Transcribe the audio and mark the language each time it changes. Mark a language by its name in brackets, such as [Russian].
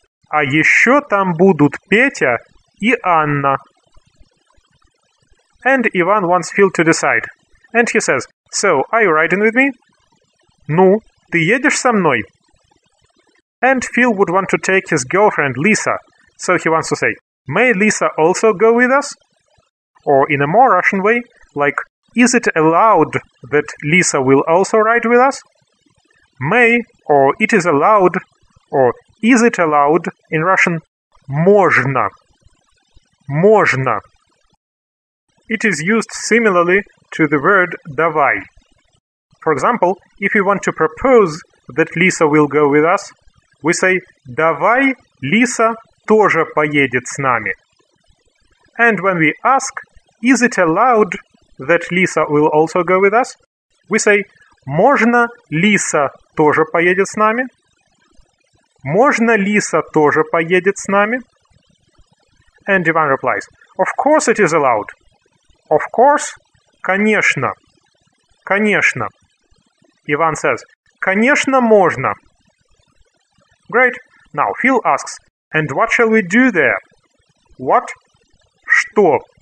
[Russian] А еще там будут Петя и Анна. [English] And Ivan wants Phil to decide. And he says, So, are you riding with me? [Russian] Ну, ты едешь со мной? [English] And Phil would want to take his girlfriend Lisa. So he wants to say, May Lisa also go with us? Or in a more Russian way, like, Is it allowed that Lisa will also ride with us? May, or it is allowed, or is it allowed in Russian? [Russian] Можно. Можно. [English] It is used similarly to the word давай. For example, if we want to propose that Lisa will go with us, we say [Russian] давай Лиса тоже поедет с нами. [English] And when we ask, is it allowed that Lisa will also go with us? We say [Russian] можно Лиса тоже поедет с нами? Можно Лиса тоже поедет с нами? [English] And Ivan replies, of course it is allowed. Of course, [Russian] конечно, конечно. [English] Ivan says, [Russian] «Конечно, можно!» [English] Great. Now, Phil asks, «And what shall we do there?» «What?» [Russian] «Что?»